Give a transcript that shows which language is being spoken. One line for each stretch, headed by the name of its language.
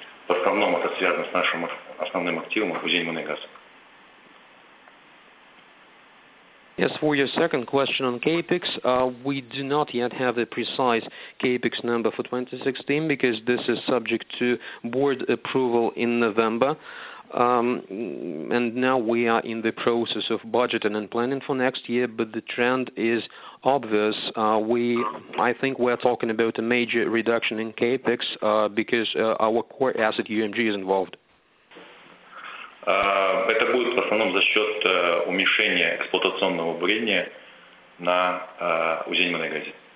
Russian: В основном это связано с нашим основным активом «Кузьминайгаз».
English: As for your second question on CAPEX, we do not yet have a precise CAPEX number for 2016 because this is subject to board approval in November. And now we are in the process of budgeting and planning for next year, but the trend is obvious. I think we are talking about a major reduction in CAPEX because our core asset UMG is involved.
Russian: Это будет в основном за счет уменьшения эксплуатационного бурения на Узеньмунайгазе.